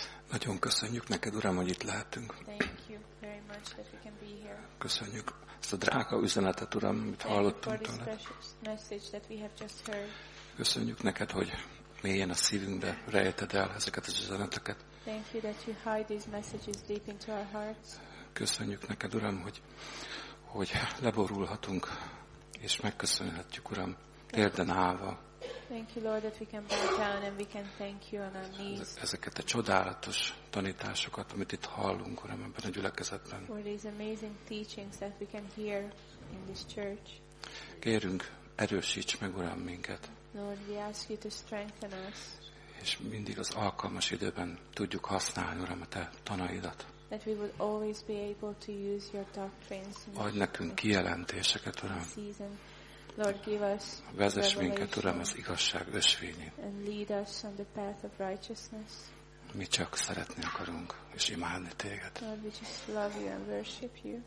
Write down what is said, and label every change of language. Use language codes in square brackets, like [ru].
[hu] Nagyon köszönjük neked, Uram, hogy itt lehetünk. [en] Thank you very much that we can be here. [hu] Köszönjük ezt a drága üzenetet, Uram, amit hallottunk tőled. [en] Thank you for this precious message that we have just heard. [hu] Köszönjük neked, hogy mélyen a szívünkbe rejted el ezeket az üzeneteket. [en] Thank you that you hide these messages deep into our hearts. [hu] Köszönjük neked, Uram, hogy leborulhatunk és megköszönhetjük, Uram, érden állva. [en] Thank you, Lord, that we can bow down and we can thank you on our knees. [hu] Ezeket a csodálatos tanításokat, amit itt hallunk, Uram, ebben a gyülekezetben. [en] For these amazing teachings that we can hear in this church. [hu] Kérünk, erősíts meg, Uram, minket. [en] Lord, we ask you to strengthen us. [hu] És mindig az alkalmas időben tudjuk használni, Uram, a te tanaidat. [en] That we would always be able to use your doctrines. [hu] Adj nekünk kijelentéseket, Uram. [en] Lord, give us revelation. [hu] Vezess minket, Uram, az igazság ösvényén. [en] And lead us on the path of righteousness. [hu] Mi csak szeretni akarunk és imádni téged. [en] Lord, we just love you and worship you.